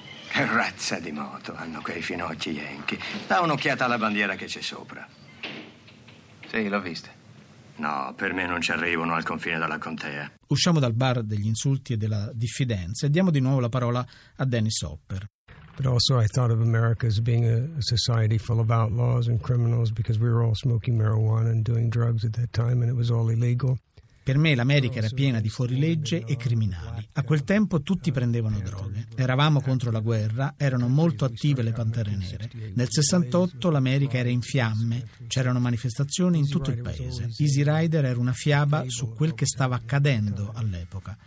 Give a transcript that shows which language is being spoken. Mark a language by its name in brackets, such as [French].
[Italian] Che razza di moto hanno quei finocchi Yankee. Dà un'occhiata alla bandiera che c'è sopra. Sì, l'ho vista. No, per me non ci arrivano al confine della contea. Usciamo dal bar degli insulti e della diffidenza e diamo di nuovo la parola a Dennis Hopper. [English] But also I thought of America as being a society full of outlaws and criminals because we were all smoking marijuana and doing drugs at that time and it was all illegal. [Italian] Per me l'America era piena di fuorilegge e criminali. A quel tempo tutti prendevano droghe. Eravamo contro la guerra, erano molto attive le Pantere Nere. Nel 68 l'America era in fiamme, c'erano manifestazioni in tutto il paese. Easy Rider era una fiaba su quel che stava accadendo all'epoca.